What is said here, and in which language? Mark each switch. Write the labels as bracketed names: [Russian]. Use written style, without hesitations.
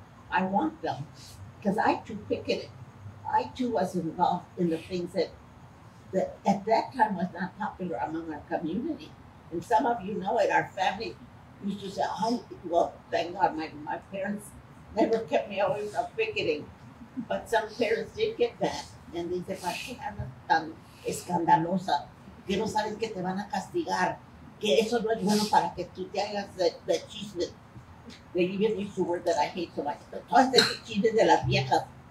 [English] I want them because I too picketed. I too was involved in the things that at that time was not popular among our community. And some of you know it, our family used to say, thank God my parents never kept me away from picketing. But some parents did get that. And they said, [Spanish] ¿Para qué andas tan escandalosa? ¿Que no sabes que te van a castigar? ¿Que eso no es bueno para que tú te hagas de chisme? [English] They even used a word that I hate so much. [Spanish] Todas de chisme de las viejas.